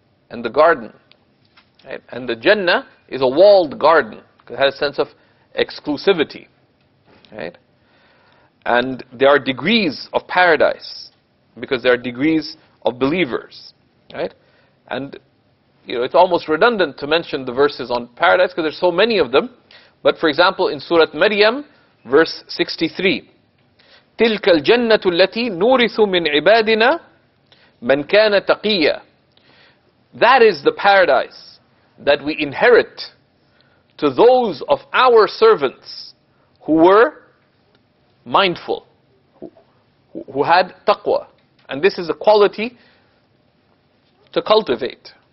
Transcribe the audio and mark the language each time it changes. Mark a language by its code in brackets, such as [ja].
[en] And the garden, right? And the Jannah is a walled garden, it has a sense of exclusivity, right? And there are degrees of paradise, because there are degrees of believers, right? And you know, it's almost redundant to mention the verses on paradise because there's so many of them. But for example, in Surah Maryam, verse 63, [ar] تِلْكَ الْجَنَّةُ الَّتِي نُورِثُ مِنْ عِبَادِنَا مَنْ كَانَ تَقِيَّ. [en] That is the paradise that we inherit to those of our servants who were mindful, who had taqwa. And this is a quality to cultivate.